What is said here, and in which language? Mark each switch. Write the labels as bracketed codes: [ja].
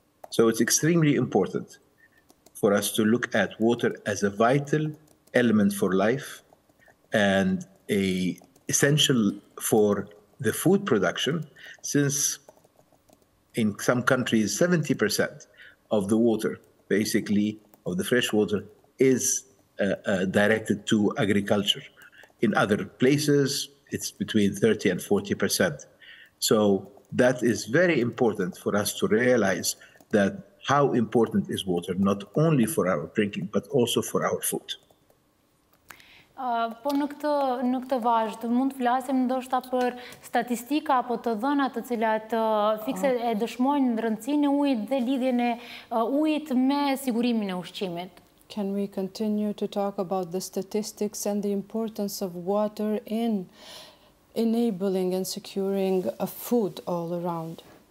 [en] So it's extremely important for us to look at water as a vital element for life and a essential for the food production, since in some countries 70% of the water, basically of the fresh water, is directed to agriculture. In other places it's between 30% and 40%. So that is very important for us to realize that how important is water, not only for our drinking, but also for our food. [sq] Por në këtë vazhdim mund të flasim ndoshta për statistika apo të dhëna të cilat fikse e dëshmojnë rëndësinë e ujit dhe lidhjen e ujit me sigurimin e ushqimit. [en] Can we continue to talk about the statistics and the importance of water in enabling and securing a food all around?